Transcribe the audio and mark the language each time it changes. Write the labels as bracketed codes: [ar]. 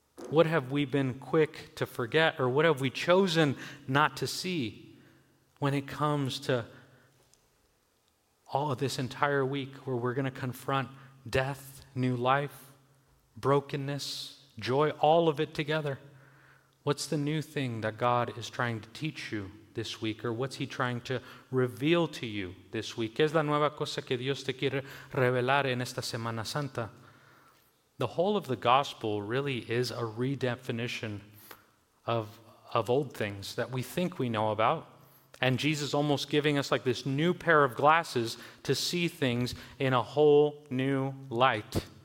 [en] What have we been quick to forget, or what have we chosen not to see when it comes to all of this entire week where we're going to confront death, new life, brokenness, joy, all of it together? What's the new thing that God is trying to teach you this week, or what's he trying to reveal to you this week? [es] ¿Qué es la nueva cosa que Dios te quiere revelar en esta Semana Santa? [en] The whole of the gospel really is a redefinition of old things that we think we know about, and Jesus almost giving us like this new pair of glasses to see things in a whole new light.